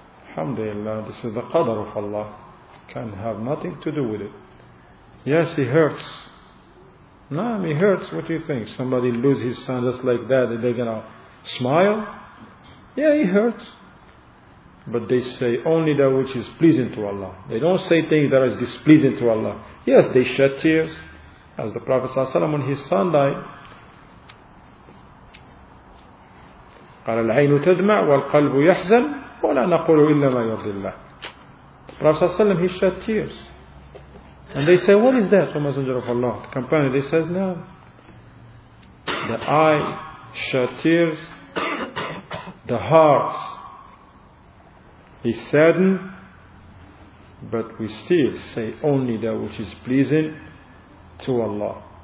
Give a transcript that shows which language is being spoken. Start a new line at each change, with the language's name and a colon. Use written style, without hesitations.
English: Alhamdulillah, this is the qadr of Allah. Can have nothing to do with it. Yes, he hurts. Naam, he hurts. What do you think? Somebody lose his son just like that, and they're going to smile? Yeah, he hurts. But they say only that which is pleasing to Allah. They don't say things that is displeasing to Allah. Yes, they shed tears. As the Prophet ﷺ, when his son died,
Arabic: قال العين تدمع والقلب يحزن ولا نقول إلا ما يرضي الله.
English: Prophet ﷺ, he shed tears. And they say, what is that, O Messenger of Allah? The companion, they said, no. The eye shed tears, the heart is saddened, but we still say only that which is pleasing to Allah.